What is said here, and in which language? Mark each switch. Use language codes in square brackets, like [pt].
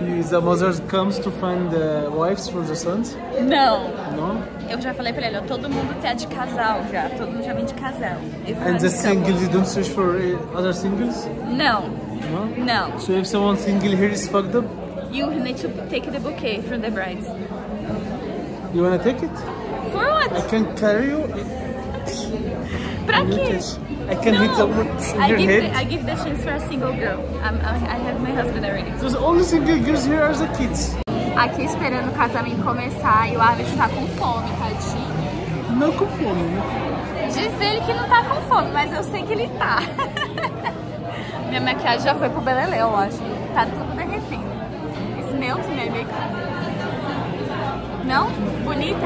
[en] The mothers comes to find the wives for the sons? [pt] Não. Não? Eu já falei pra ele, ó, todo mundo tá de casal já, todo mundo já vem de casal. [en] And the singles, you don't search for other singles? [pt] Não. Não? Não. [en] So if someone single here is fucked up? You need to take the bouquet from the brides. You want a ticket? For what? I can carry you. [pt] Pra quê? [en] I can hit someone in your head. I give the chance for a single girl. I have my husband already. There's only single girls here as the kids. [pt] Aqui esperando o casamento começar e o Arvid tá com fome, tadinho. Não com fome, né? Diz ele que não tá com fome, mas eu sei que ele tá. Minha maquiagem já foi pro Beleléu, eu acho. Tá tudo derretendo. Smelt, minha amiga. Não? Bonita?